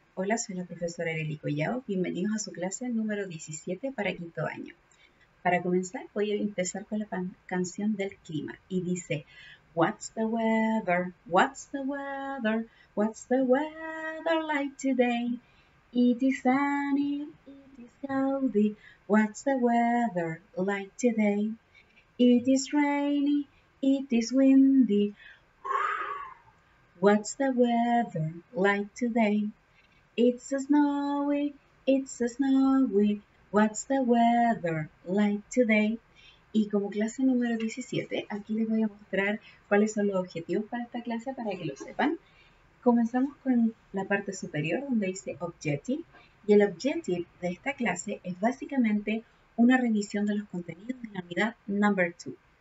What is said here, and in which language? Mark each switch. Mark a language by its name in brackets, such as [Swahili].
[Spanish] Hola, soy la profesora Areli Collao. Bienvenidos a su clase número 17 para quinto año. Para comenzar, voy a empezar con la canción del clima. Y dice, [English] What's the weather? What's the weather? What's the weather like today? It is sunny, it is cloudy. What's the weather like today? It is rainy, it is windy. What's the weather like today? It's a snowy, it's a snowy. What's the weather like today? [Spanish] Y como clase número 17, aquí les voy a mostrar cuáles son los objetivos para esta clase para que lo sepan. Comenzamos con la parte superior donde dice Objective. Y el Objective de esta clase es básicamente una revisión de los contenidos de la unidad number 2.